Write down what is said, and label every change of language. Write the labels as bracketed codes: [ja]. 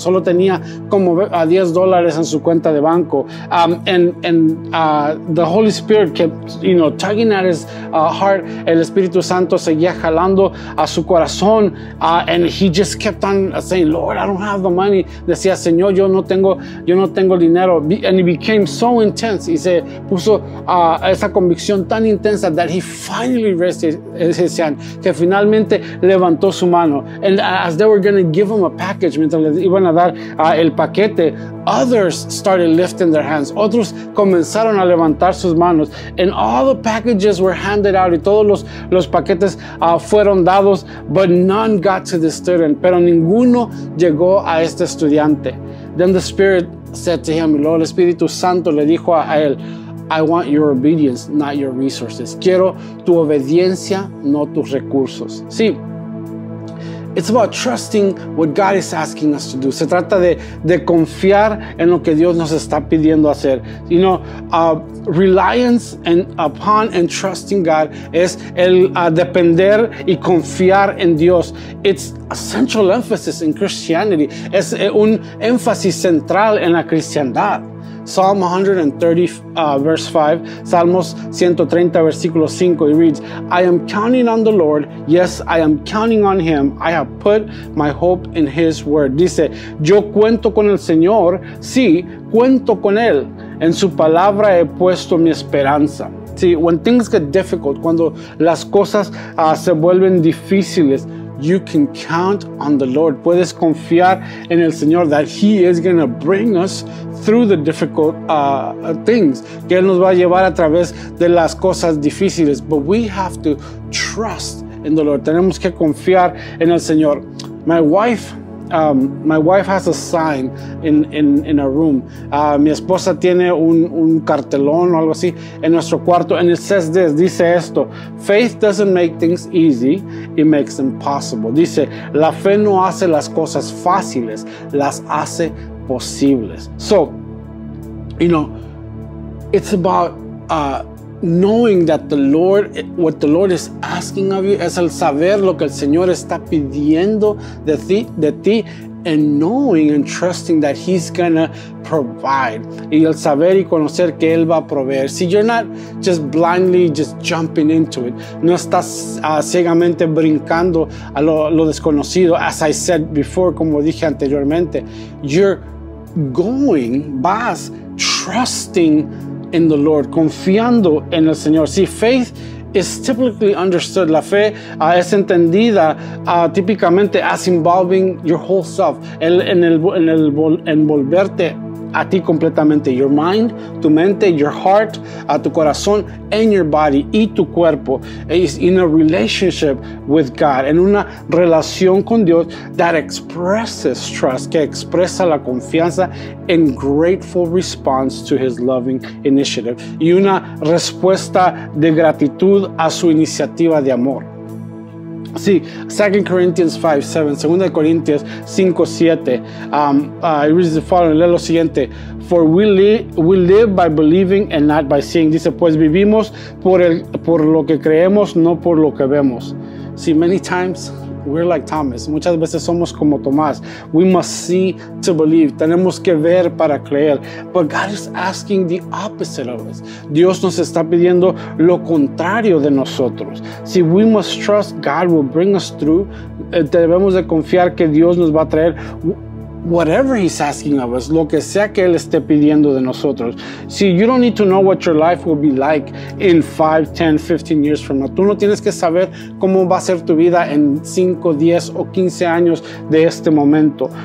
[es] Solo tenía como $10 en su cuenta de banco. [en] The Holy Spirit kept, tugging at his heart. [es] El Espíritu Santo seguía jalando a su corazón, [en] and he just kept on saying, "Lord, I don't have the money." [es] Decía, "Señor, yo no tengo dinero." [en] And he became so intense. [es] Y se puso esa convicción tan intensa, [en] that he finally raised his hand, [es] que finalmente levantó su mano. [en] And as they were going to give him a package, [es] mientras le iban a dar el paquete, [en] others started lifting their hands. [es] Otros comenzaron a levantar sus manos. [en] And all the packages were handed out, [es] y todos los paquetes fueron dados, [en] but none got to the student. [es] Pero ninguno llegó a este estudiante. [en] Then the Spirit said to him, [es] el Espíritu Santo le dijo a él, [en] "I want your obedience, not your resources." [es] Quiero tu obediencia, no tus recursos. Sí. [en] It's about trusting what God is asking us to do. [es] Se trata de confiar en lo que Dios nos está pidiendo hacer. [en] Reliance upon and trusting God [es] es el depender y confiar en Dios. [en] It's a central emphasis in Christianity. [es] Es un énfasis central en la cristiandad. [en] Psalm 130, verse 5. [es] Salmos 130, versículo 5. [en] It reads, "I am counting on the Lord. Yes, I am counting on Him. I have put my hope in His word." [es] Dice, "Yo cuento con el Señor. Sí, cuento con Él. En su palabra he puesto mi esperanza." [en] See, when things get difficult, [es] cuando las cosas se vuelven difíciles, [en] you can count on the Lord. [es] Puedes confiar en el Señor, [en] that He is going to bring us through the difficult things. [es] Que Él nos va a llevar a través de las cosas difíciles. [en] But we have to trust in the Lord. [es] Tenemos que confiar en el Señor. [en] My wife My wife has a sign in a room. [es] Mi esposa tiene un cartelón o algo así en nuestro cuarto, [en] and it says this. [es] Dice esto: [en] faith doesn't make things easy, it makes them possible. [es] Dice: la fe no hace las cosas fáciles, las hace posibles. [en] So, you know, it's about knowing that the Lord, what the Lord is asking of you, [es] es el saber lo que el Señor está pidiendo de ti, [en] and knowing and trusting that He's gonna provide. [es] Y el saber y conocer que Él va a proveer. [en] See, you're not just blindly just jumping into it. [es] No estás ciegamente brincando a lo desconocido. [en] As I said before, [es] como dije anteriormente, [en] you're going, vas trusting in the Lord, [es] confiando en el Señor. [en] See, faith is typically understood. [es] La fe es entendida típicamente [en] as involving your whole self. [es] En el envolverte a ti completamente. [en] Your mind, [es] tu mente, [en] your heart, [es] tu corazón, [en] and your body, [es] y tu cuerpo. [en] It's in a relationship with God. [es] En una relación con Dios [en] that expresses trust, [es] que expresa la confianza [en] in grateful response to His loving initiative. [es] Y una respuesta de gratitud a su iniciativa de amor. [en] See, 2 Corinthians 5:7, it reads the following, [es] lee lo siguiente: [en] for we live by believing and not by seeing. [es] Dice, pues vivimos por lo que creemos, no por lo que vemos. [en] See, many times we're like Thomas. [es] Muchas veces somos como Tomás. [en] We must see to believe. [es] Tenemos que ver para creer. [en] But God is asking the opposite of us. [es] Dios nos está pidiendo lo contrario de nosotros. [en] See, we must trust God will bring us through. [es] Debemos de confiar que Dios nos va a traer [en] whatever He's asking of us, [es] lo que sea que Él esté pidiendo de nosotros. [en] See, you don't need to know what your life will be like in 5, 10, 15 years from now. [es] Tú no tienes que saber cómo va a ser tu vida en 5, 10 o 15 años de este momento.